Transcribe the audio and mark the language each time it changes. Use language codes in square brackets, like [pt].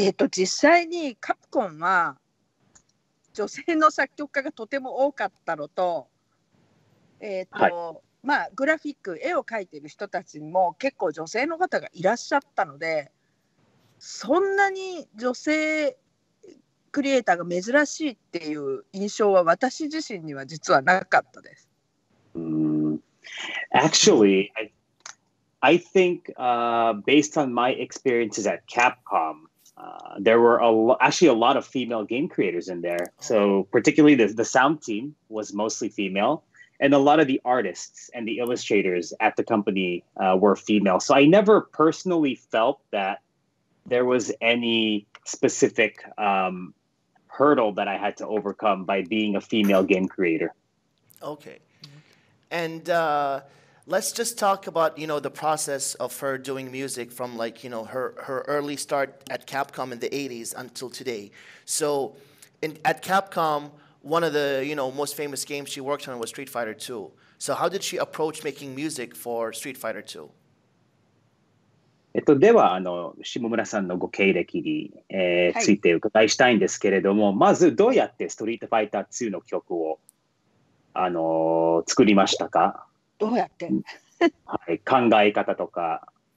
[ja] 実際にカプコンは女性の作曲家がとても多かったのと、はい、まあグラフィック絵を描いている人たちにも結構女性の方がいらっしゃったので、そんなに女性クリエイターが珍しいっていう印象は私自身には実はなかったです。 [en] Actually I think based on my experiences at Capcom, there were actually a lot of female game creators in there. So particularly the sound team was mostly female, and a lot of the artists and the illustrators at the company were female. So I never personally felt that there was any specific hurdle that I had to overcome by being a female game creator. Okay. And let's just talk about, you know, the process of her doing music from, like, you know, her early start at Capcom in the 80s until today. So at Capcom, one of the, you know, most famous games she worked on was Street Fighter 2. So how did she approach making music for Street Fighter 2? [ja] では下村さんのご経歴に、について伺いしたいんですけれども、はい、まずどうやってストリートファイター2の曲を作りましたか？どうやって、はい、考え方とか。